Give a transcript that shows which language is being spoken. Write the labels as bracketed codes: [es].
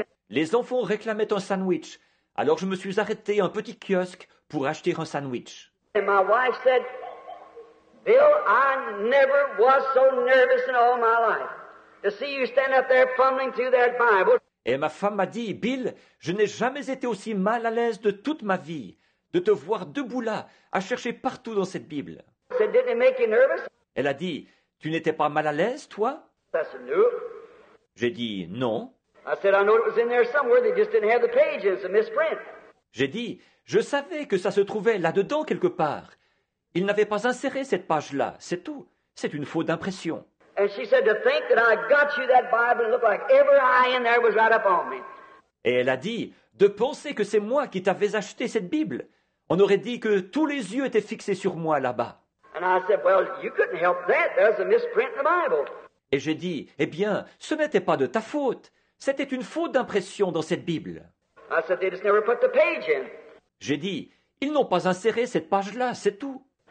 [fr] Les enfants réclamaient un sandwich. Alors je me suis arrêté à un petit kiosque pour acheter un sandwich. [en] And my wife said, Bill, I never was so nervous in all my life to see you stand up there fumbling through that Bible. [fr] Et ma femme m'a dit, Bill, je n'ai jamais été aussi mal à l'aise de toute ma vie de te voir debout là à chercher partout dans cette Bible. [en] I said, didn't it make you nervous? [fr] Elle a dit, tu n'étais pas mal à l'aise, toi? [en] I said, no. [fr] J'ai dit, non. [en] I said, I know it was in there somewhere, they just didn't have the pages, a misprint. [fr] J'ai dit, je savais que ça se trouvait là-dedans quelque part. Ils n'avaient pas inséré cette page-là, c'est tout. C'est une faute d'impression. [en] And she said, to think that I got you that Bible and looked like every eye in there was right up on me. [fr] Et elle a dit, de penser que c'est moi qui t'avais acheté cette Bible. On aurait dit que tous les yeux étaient fixés sur moi là-bas. [en] And I said, well, you couldn't help that, there's a misprint in the Bible. [fr] Et j'ai dit, eh bien, ce n'était pas de ta faute. C'était une faute d'impression dans cette Bible. [en] I said, they just never put the page in. [fr] J'ai dit, ils n'ont pas inséré cette page-là, c'est tout.